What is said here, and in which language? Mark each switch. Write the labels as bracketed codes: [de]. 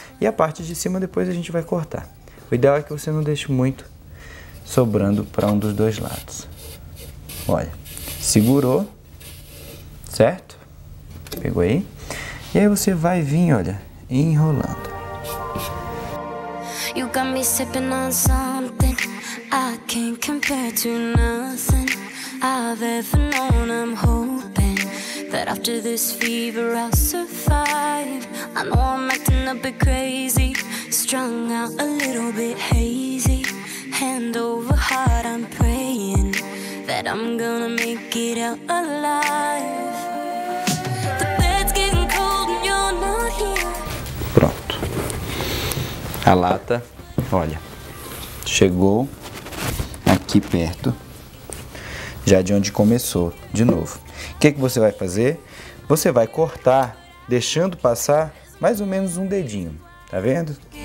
[pt] E a parte de cima depois a gente vai cortar. O ideal é que você não deixe muito sobrando para um dos dois lados. Olha, segurou, certo? Pegou aí. E aí você vai vir, olha, enrolando. [en] You got me sipping on something I can't compare to nothing I've ever known. I'm hoping that after this fever I'll survive. I know I'm acting a bit crazy, strung out a little bit hazy. Hand over heart, I'm praying that I'm gonna make it out alive. The bed's getting cold and you're not here. [pt] Pronto. A lata, olha, chegou aqui perto já de onde começou, de novo. O que você vai fazer? Você vai cortar, deixando passar mais ou menos um dedinho, tá vendo?